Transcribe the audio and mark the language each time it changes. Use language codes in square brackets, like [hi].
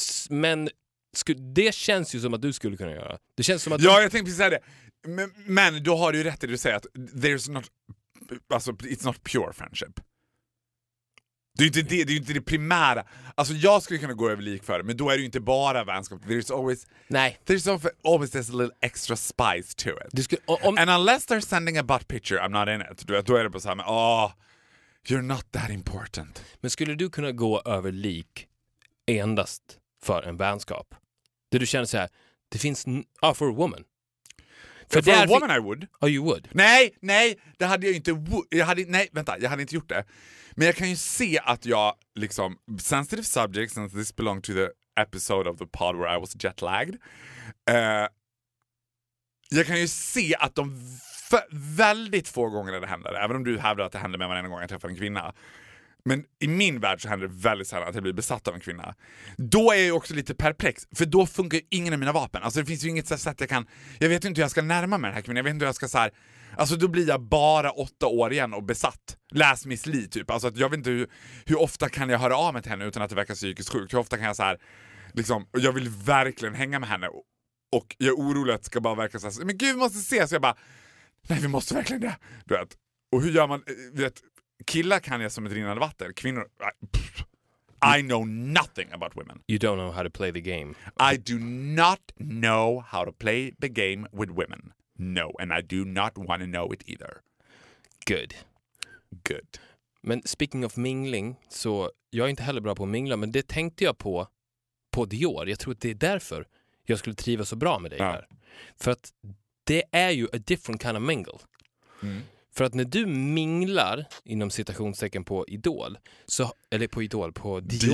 [sv] Men det känns ju som att du skulle kunna göra. Det känns som att jag tänkte precis säga det. Men då har du ju rätt i det du säger, att [en] there's not, [sv] alltså [en] it's not pure friendship. [sv] Det är inte det, det är inte det primära. Alltså jag skulle kunna gå över lik för det, men då är det ju inte bara vänskap. [en] There's always, [sv] nej, [en] there's always this little extra spice to it. And unless they're sending a butt picture, I'm not in it. [sv] Då är det bara så här, [en] you're not that important. [sv] Men skulle du kunna gå över lik endast för en vänskap? Det du känner så här, det finns [en] for a woman. For a woman I would. Oh, you would. [sv] Nej, det hade jag inte. Jag hade inte gjort det. Men jag kan ju se att jag liksom, [en] sensitive subject, since this belonged to the episode of the pod where I was jet lagged. [sv] Jag kan ju se att de väldigt få gånger det händer, även om du hävdar att det händer med varenda gång jag träffar en kvinna. Men i min värld så händer det väldigt sällan att jag blir besatt av en kvinna. Då är jag ju också lite perplex. För då funkar ju ingen av mina vapen. Alltså det finns ju inget sätt jag kan, jag vet inte hur jag ska närma mig den här kvinnan. Jag vet inte hur jag ska så här, alltså då blir jag bara 8 år igen och besatt. Läs Miss Li typ. Alltså att jag vet inte hur ofta kan jag höra av mig till henne utan att det verkar psykiskt sjukt. Hur ofta kan jag så här, liksom, jag vill verkligen hänga med henne. Och jag är orolig att det ska bara verka så här, men gud, vi måste ses. Så jag bara, nej, vi måste verkligen det. Du vet. Och hur gör man, vet, killar kan jag som ett rinnande vatten. [en] Kvinnor, I know nothing about women. You don't know how to play the game. I do not know how to play the game with women. No, and I do not want to know it either. Good. Good. [sv] Men [en] speaking of mingling, [sv] så jag är inte heller bra på att mingla, men det tänkte jag på Dior. Jag tror att det är därför jag skulle trivas så bra med dig här. För att det är ju [en] a different kind of mingle. [sv] För att när du minglar inom citationstecken på Idol, så, eller på Idol, på Dior,